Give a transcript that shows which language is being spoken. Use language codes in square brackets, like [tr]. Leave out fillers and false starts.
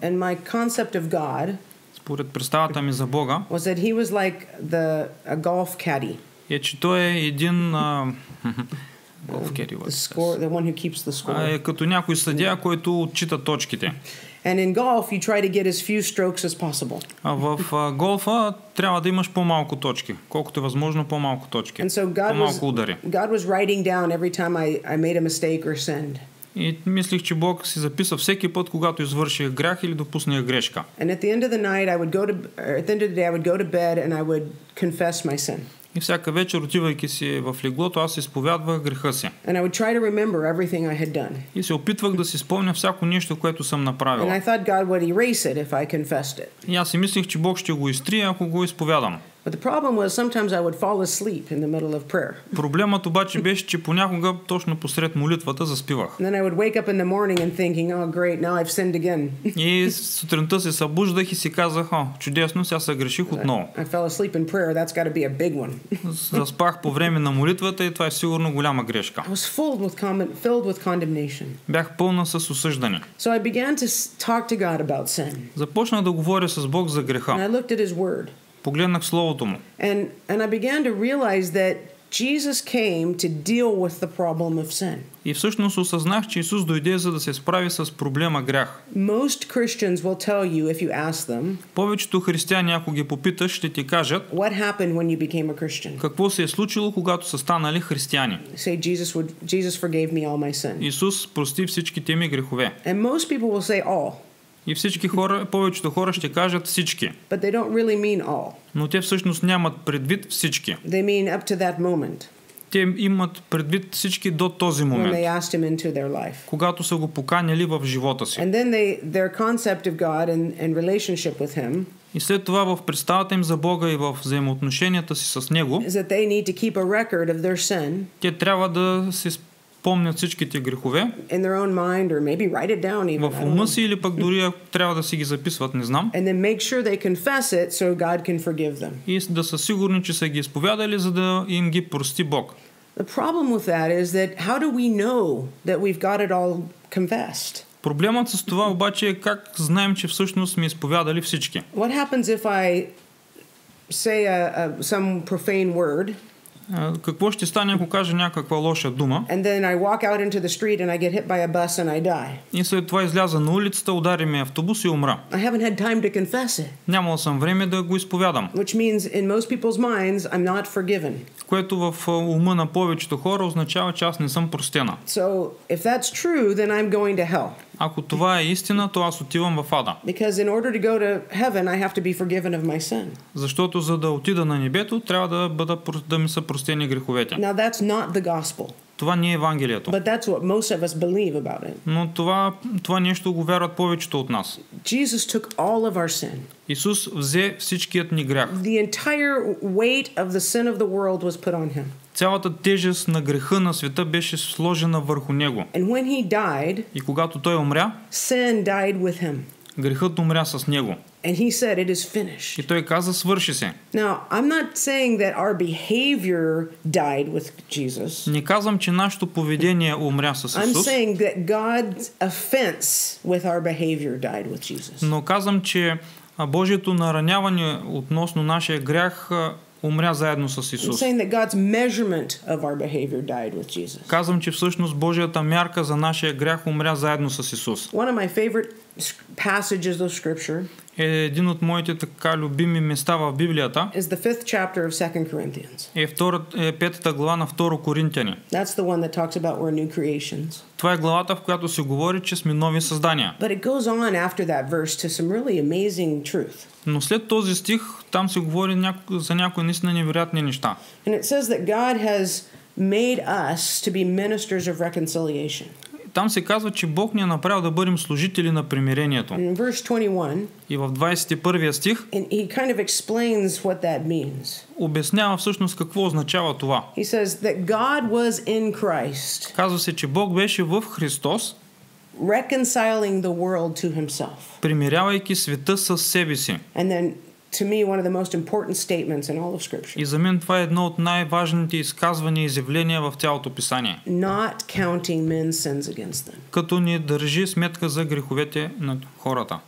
[en] And my concept of God, [bg] според представата ми за Бога, [en] was that he was like a golf caddy. [bg] Е, че той е един golf caddy. [en] The one who keeps the score. [bg] Е като някой съдия, yeah, който отчита точките. [en] And in golf you try to get as few strokes as possible. [bg] А в голфа трябва да имаш по-малко точки, колкото е възможно по-малко точки. [en] And so God [bg] по-малко [en] was [bg] удари. [en] God was writing down every time I made a mistake or sinned. [bg] И мислих, че Бог си записва всеки път, когато извърших грях или допуснах грешка. [en] And at the end of the night at the end of the day I would go to bed and I would confess my sin. [bg] И всяка вечер, отивайки си в леглото, аз изповядвах греха си. [en] And I would try to remember everything I had done. [bg] И се опитвах да си спомня всяко нещо, което съм направил. [en] And I thought God would erase it if I confessed it. [bg] И аз си мислих, че Бог ще го изтрие, ако го изповядам. [en] But the problem was sometimes I would fall asleep in the middle of prayer. [bg] Проблемът обаче беше, че понякога точно посред молитвата заспивах. [en] Then I would wake up in the morning and thinking, oh great, now I've sinned again. [bg] И сутринта се събуждах и си казах, чудесно, сега съгреших отново. [en] I fell asleep in prayer, that's got to be a big one. [bg] Заспах по време на молитвата и това е сигурно голяма грешка. [en] I was filled with condemnation. [bg] Бях пълна с осъждане. [en] So I began to talk to God about sin. [bg] Започнах да говоря с Бог за греха. [en] And I looked at his word. [bg] Погледнах Словото му. [en] And I began to realize that Jesus came to deal with the problem of sin. [bg] И всъщност осъзнах, че Исус дойде, за да се справи с проблема грях. [en] Most Christians will tell you if you ask them. [bg] Повечето християни, ако ги попиташ, ще ти кажат. [en] What happened when you became a Christian? [bg] Какво се е случило, когато са станали християни? [en] Say Jesus forgave me all my sin. [bg] Исус прости всичките ми грехове. [en] And most people will say all. [bg] И всички хора, повечето хора ще кажат всички. [en] But they don't really mean all. [bg] Но те всъщност нямат предвид всички. [en] They mean up to that moment. [bg] Те имат предвид всички до този момент. [en] When they asked him into their life. [bg] Когато са го поканили в живота си. [en] And then their concept of God and relationship with him. [bg] И след това в представата им за Бога и в взаимоотношенията си с Него. [en] Is that they need to keep a record of their sin. [bg] Те трябва да се помнят всичките грехове [en] in their own mind, or maybe write it down even, [bg] в ума си или пък дори трябва да си ги записват, не знам. [en] And then make sure they confess it so God can forgive them. [bg] И да са сигурни, че са ги изповядали, за да им ги прости Бог. [en] The problem with that is that how do we know that we've got it all confessed? [bg] Проблемът с това обаче е как знаем, че всъщност сме изповядали всички. [en] What happens if I say some profane word? [bg] Какво ще стане, ако кажа някаква лоша дума? [en] And then I walk out into the street and I get hit by a bus and I die. [bg] И след това изляза на улицата, удари ме автобус и умра. [en] I haven't had time to confess it. [bg] Нямал съм време да го изповядам. [en] Which means in most people's minds I'm not forgiven. [bg] Което в ума на повечето хора означава, че аз не съм простена. [en] So if that's true, then I'm going to hell. [bg] Ако това е истина, то аз отивам в ада. [en] Because in order to go to heaven, I have to be forgiven of my sin. [bg] Защото за да отида на небето, трябва да ми са простени греховете. [en] Now that's not the gospel. [bg] Това не е Евангелието. [en] But that's what most of us believe about it. [bg] Но това нещо го вярват повечето от нас. [en] Jesus took all of our sin. [bg] Исус взе всичкият ни грях. [en] The entire weight of the sin of the world was put on him. [bg] Цялата тежест на греха на света беше сложена върху него. [en] And when he died, [bg] и когато той умря, [en] sin died with him. [bg] Грехът умря с него. [en] And he said, it is finished. [bg] И той каза, свърши се. [en] Now, I'm not saying that our behavior died with Jesus. [bg] Не казвам, че нашето поведение умря с Исус. [en] I'm saying that God's offense with our behavior died with Jesus. [bg] Но казвам, че Божието нараняване относно нашия грях умря заедно с Исус. [en] I'm saying that God's measurement of our behavior died with Jesus. [bg] Казвам, че всъщност Божията мярка за нашия грях умря заедно с Исус. [en] One of my favorite passages of scripture. [bg] Е един от моите така любими места в Библията. [en] Is the 5th chapter of 2 Corinthians. [bg] Е петата глава на 2 Коринтяни. [en] That's the one that talks about we're new creations. [bg] Това е главата, в която се говори, че сме нови създания. [en] But it goes on after that verse to some really amazing truth. [bg] Но след този стих там се говори за някои наистина невероятни неща. [en] And it says that God has made us to be ministers of reconciliation. [bg] Там се казва, че Бог ни е направил да бъдем служители на примирението. [en] In verse 21, [bg] и в 21 стих [en] and he kind of explains what that means. [bg] Обяснява всъщност какво означава това. [en] He says that God was in Christ. [bg] Казва се, че Бог беше в Христос, [en] reconciling the world to himself. [bg] Примирявайки света със себе си. [en] And then to me one of the most important statements in all of scripture. [bg] И за мен това е едно от най-важните изказвания и изявления в цялото писание. [en] Not counting men's sins against them. [bg] Като не държи сметка за греховете на хората.